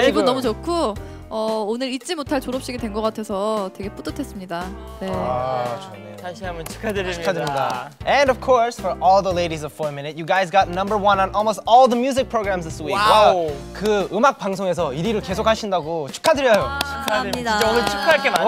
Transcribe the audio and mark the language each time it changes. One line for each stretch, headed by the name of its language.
Korean: 네, 기분 너무 좋고 오늘 잊지 못할 졸업식이 된 것 같아서 되게 뿌듯했습니다. 네. 아 좋네요. 다시 한번 축하드립니다. 축하드립니다.
English: And of course, for all the ladies of 4MINUTE, you guys got number one on almost all the music programs this week. Wow. Wow.
Korean: 그 음악 방송에서 1위를 계속 하신다고 축하드려요. 와, 축하드립니다. 진짜 오늘 축하할 게 많네요.